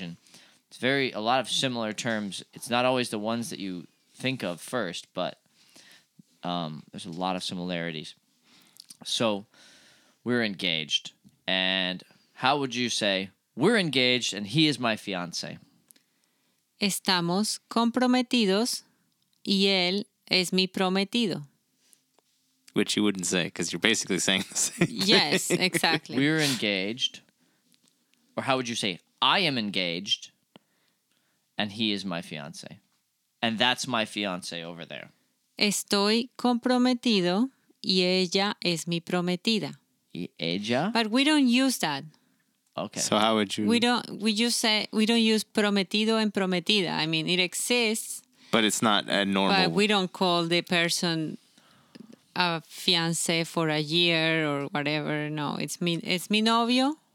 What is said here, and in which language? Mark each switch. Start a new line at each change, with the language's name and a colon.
English: And it's very, a lot of similar terms. It's not always the ones that you think of first, but there's a lot of similarities. So we're engaged. And how would you say we're engaged and he is my fiancé?
Spanish: Estamos comprometidos y él es mi prometido.
English: Which you wouldn't say because you're basically saying the same yes, thing. Yes, exactly. We're engaged. Or how would you say, I am engaged and he is my fiancé. And that's my fiancé over there.
Spanish: Estoy comprometido y ella es mi prometida. Y ella?
English: But we don't use that. Okay. So how would you? We just say we don't use prometido and prometida. I mean, it exists, but it's not a normal. But we don't call the person a fiancé for a year or whatever. No, it's
Spanish: mi novio,